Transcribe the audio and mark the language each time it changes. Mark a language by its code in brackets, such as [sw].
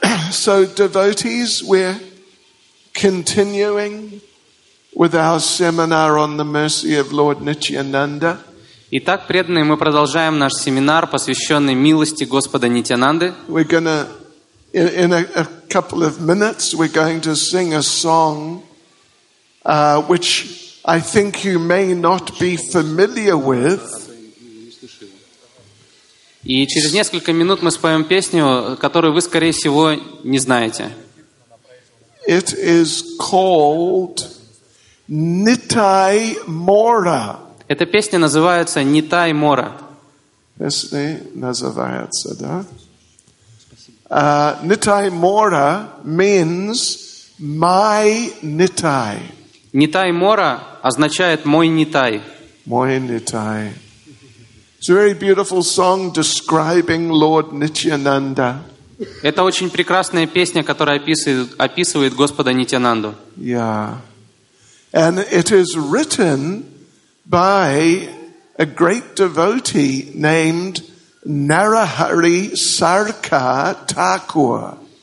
[en] So devotees, we're continuing with our seminar on the mercy of Lord Nityananda. [ru] Итак, преданные, мы продолжаем наш семинар, посвященный милости Господа Нитянанды. [en] We're gonna in a couple of minutes we're going to sing a song, which I think you may not be familiar with. [ru] И через несколько минут мы споем песню, которую вы, скорее всего, не знаете. [en] It is called Nitai Mora. [ru] Эта песня называется Нитай Мора. Песня называется, да? [en] Nitai Mora means my Nitai. [ru] Нитай Мора означает мой Нитай. Мой Нитай. [en] It's a very beautiful song describing Lord Nityananda. [ru] Это очень прекрасная песня, которая описывает Господа Нитянанду. [en] Yeah. And it is written by a great devotee named Narahari Sarkar Thakur.